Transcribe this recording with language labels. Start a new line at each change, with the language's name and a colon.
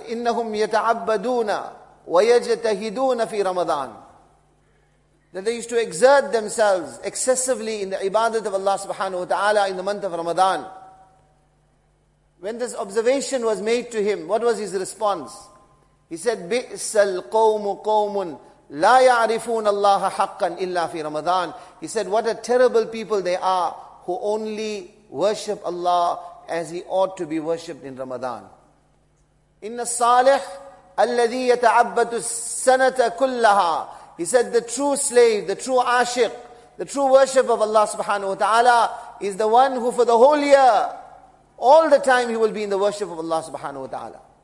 Arabic: إِنَّهُمْ يَتَعَبَّدُونَ وَيَجْتَهِدُونَ فِي رَمَضَانِ.
English: That they used to exert themselves excessively in the ibadat of Allah subhanahu wa ta'ala in the month of Ramadan. When this observation was made to him, what was his response? He said,
Arabic: بِئْسَ الْقَوْمُ قَوْمٌ لَا يَعْرِفُونَ اللَّهَ حَقًّا إِلَّا فِي رَمَضَانِ.
English: He said, what a terrible people they are who only worship Allah as he ought to be worshipped in Ramadan.
Arabic: Inna salih alladhi yata'abbadu sanata kullaha.
English: He said, the true slave, the true ashiq, the true worship of Allah subhanahu wa ta'ala is the one who for the whole year, all the time he will be in the worship of Allah subhanahu wa ta'ala.